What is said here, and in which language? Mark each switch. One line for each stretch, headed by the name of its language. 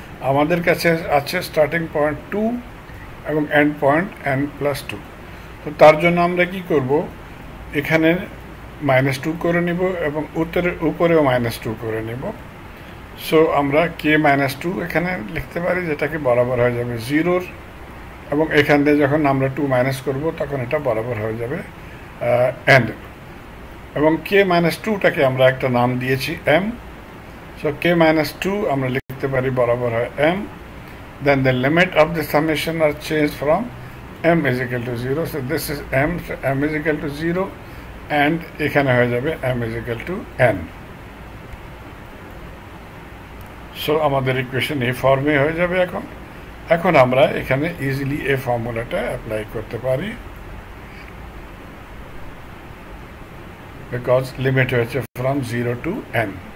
Bangla: আমাদের কাছে আছে স্টার্টিং পয়েন্ট টু এবং end point N plus two, তো তার জন্য আমরা কী করব এখানে মাইনাস টু করে নেব এবং উত্তরের উপরেও মাইনাস টু করে নেব। সো আমরা কে মাইনাস টু এখানে লিখতে পারি যেটাকে বরাবর হয়ে যাবে জিরোর, এবং এখান দিয়ে যখন আমরা টু মাইনাস করব তখন এটা বরাবর হয়ে যাবে এন্ড, এবং কে মাইনাস টুটাকে আমরা একটা নাম দিয়েছি এম। সো কে মাইনাস টু আমরা লিখতে পারি বরাবর হয় M,
English: then the limit of the summation are changed from m is equal to 0, so this is m, so m is equal to 0 and
Bangla: ekhane hoye jabe
English: m is equal to n.
Bangla: So আমাদের equation এই ফর্মে হয়ে যাবে। এখন এখন আমরা এখানে easily এই ফর্মুলাটা অ্যাপ্লাই করতে পারি বিকজ লিমিট হয়েছে ফ্রম জিরো টু এন।